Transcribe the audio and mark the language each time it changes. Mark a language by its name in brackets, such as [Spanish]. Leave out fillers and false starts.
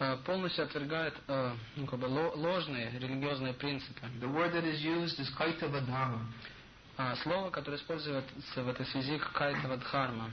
[Russian] Полностью отвергает ложные религиозные принципы. [English] The word that is used is Kaitava Dharma. [Russian] Слово, которое используется в этой связи, Kaitava Dharma.